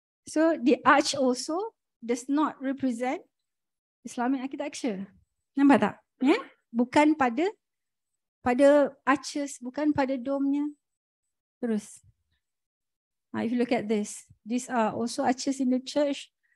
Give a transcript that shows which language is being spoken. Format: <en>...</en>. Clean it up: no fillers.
<en>So the arch also does not represent Islamic architecture.</en> <ms>Nampak tak? Yeah? Bukan pada pada arches, bukan pada domnya. Terus.</ms> <en>If you look at this, these are also arches in the church.</en>